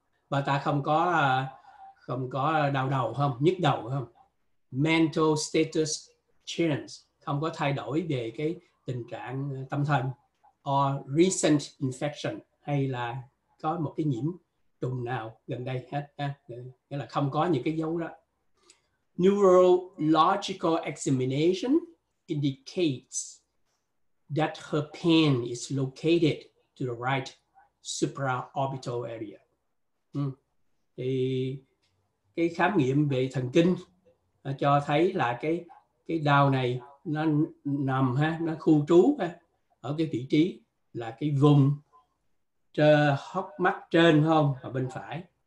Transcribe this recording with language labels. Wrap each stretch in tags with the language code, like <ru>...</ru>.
<vi>Bà ta không có đau đầu không? Nhức đầu không?</vi> <en>Mental status change.</en> <vi>Không có thay đổi về cái tình trạng tâm thần.</vi> <en>Or recent infection.</en> <vi>Hay là có một cái nhiễm trùng nào gần đây hết. Nghĩa là không có những cái dấu đó.</vi> <en>Neurological examination indicates that her pain is located to the right supraorbital area.</en> <vi>Thì cái khám nghiệm về thần kinh cho thấy là cái đau này nó nằm ha, nó khu trú ha, ở cái vị trí là cái vùng hốc mắt trên không ở bên phải.</vi>